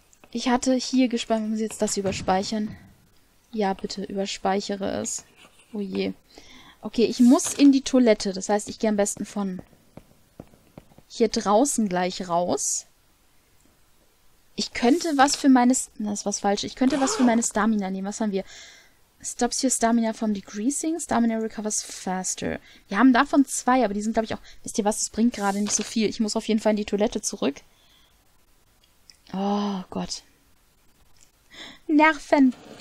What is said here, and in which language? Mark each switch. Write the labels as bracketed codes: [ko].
[de] Ich hatte hier gespannt, muss ich jetzt das überspeichern? Ja, bitte, überspeichere es. Oh je. Okay, ich muss in die Toilette. Das heißt, ich gehe am besten von hier draußen gleich raus. Ich könnte was für meine... Das ist was falsch. Ich könnte was für meine Stamina nehmen. Was haben wir? [en] Stops your Stamina from decreasing. Stamina recovers faster. [de] Wir haben davon zwei, aber die sind, glaube ich, auch... Wisst ihr was? Das bringt gerade nicht so viel. Ich muss auf jeden Fall in die Toilette zurück. Oh Gott. Nerven.